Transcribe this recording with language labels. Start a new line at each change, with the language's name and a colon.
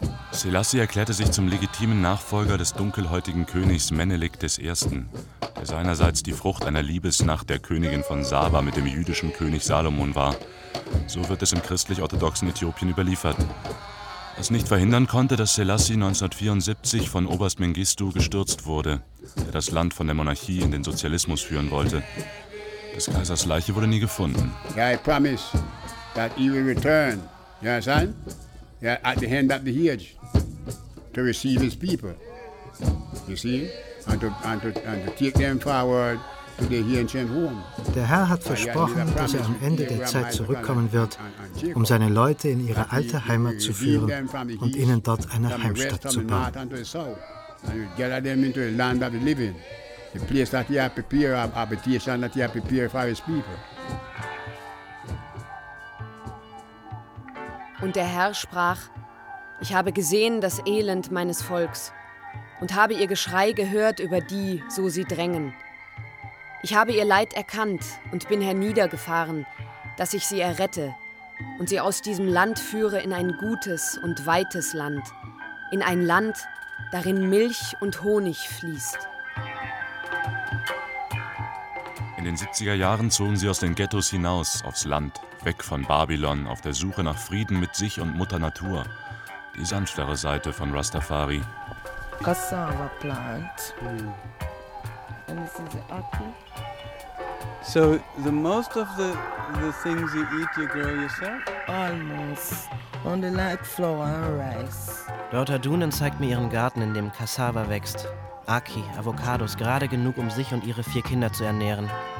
German: Selassie erklärte sich zum legitimen Nachfolger des dunkelhäutigen Königs Menelik I., der seinerseits die Frucht einer Liebesnacht der Königin von Saba mit dem jüdischen König Salomon war. So wird es im christlich-orthodoxen Äthiopien überliefert. Was nicht verhindern konnte, dass Selassie 1974 von Oberst Mengistu gestürzt wurde, der das Land von der Monarchie in den Sozialismus führen wollte. Des Kaisers Leiche wurde nie gefunden.
English: Yeah, I promise that he will return, you understand? Yeah, at the end of the hedge, to receive his people, you see? And to take them forward to the ancient home.
German: Der Herr hat versprochen, dass er am Ende der Zeit zurückkommen wird, um seine Leute in ihre alte Heimat zu führen und ihnen dort eine Heimstatt zu bauen.
English: The place that he had prepared, a habitation that he had prepared for his people.
German: Und der Herr sprach, ich habe gesehen das Elend meines Volks und habe ihr Geschrei gehört über die, so sie drängen. Ich habe ihr Leid erkannt und bin herniedergefahren, dass ich sie errette und sie aus diesem Land führe in ein gutes und weites Land, in ein Land, darin Milch und Honig fließt. In den 70er Jahren zogen sie aus den Ghettos hinaus, aufs Land, weg von Babylon, auf der Suche nach Frieden mit sich und Mutter Natur. Die sanftere Seite von Rastafari.
English: Cassava plant. And this is the apple. So the most of the things you eat you grow yourself? Almost. Only like flour and rice.
German: Dr. Dunan zeigt mir ihren Garten, in dem Cassava wächst. Aki, Avocados, gerade genug, um sich und ihre vier Kinder zu ernähren.